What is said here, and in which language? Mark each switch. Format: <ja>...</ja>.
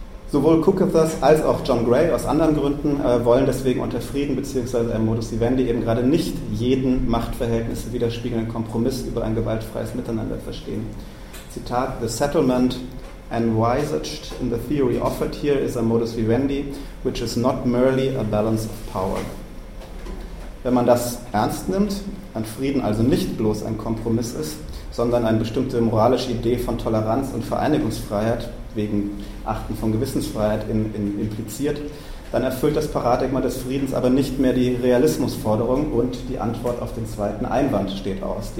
<de>Sowohl Kukathas als auch John Gray aus anderen Gründen wollen deswegen unter Frieden bzw. einem Modus Vivendi eben gerade nicht jeden Machtverhältnisse widerspiegelnden Kompromiss über ein gewaltfreies Miteinander verstehen.</de> <en>Zitat: "The settlement envisaged in the theory offered here is a modus vivendi, which is not merely a balance of power."</en> <de>Wenn man das ernst nimmt, ein Frieden also nicht bloß ein Kompromiss ist, sondern eine bestimmte moralische Idee von Toleranz und Vereinigungsfreiheit, wegen Achten von Gewissensfreiheit impliziert, dann erfüllt das Paradigma des Friedens aber nicht mehr die Realismusforderung und die Antwort auf den zweiten Einwand steht aus.</de>